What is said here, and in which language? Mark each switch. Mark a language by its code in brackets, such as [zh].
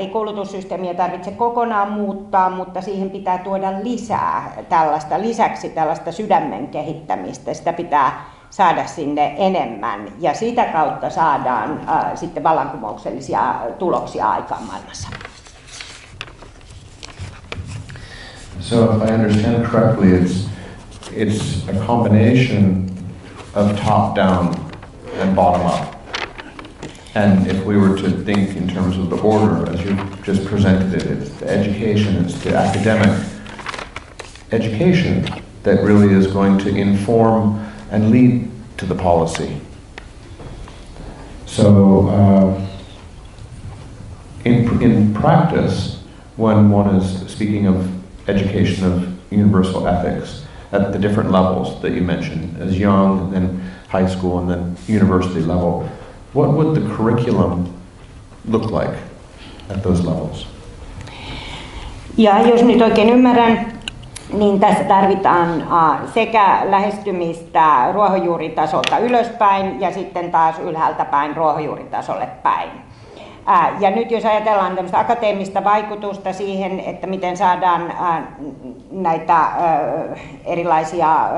[fi] Ei koulutussysteemiä tarvitse kokonaan muuttaa, mutta siihen pitää tuoda lisää tällaista, lisäksi tällaista sydämen kehittämistä. Sitä pitää saada sinne enemmän ja sitä kautta saadaan sitten vallankumouksellisia tuloksia aikaan maailmassa. [en] So if I understand correctly, it's a combination of top down and bottom up. And if we were to think in terms of the order as you just presented it, it's the education, it's the academic education that really is going to inform and lead to the policy. So in practice, when one is speaking of education of universal ethics at the different levels that you mentioned, as young, and then high school, and then university level, what would the curriculum look like at those levels? [fi] Ja jos nyt oikein ymmärrän, niin tässä tarvitaan sekä lähestymistä ruohonjuuritasolta ylöspäin ja sitten taas ylhäältä päin ruohonjuuritasolle päin. Ja nyt jos ajatellaan tämmöistä akateemista vaikutusta siihen, että miten saadaan näitä erilaisia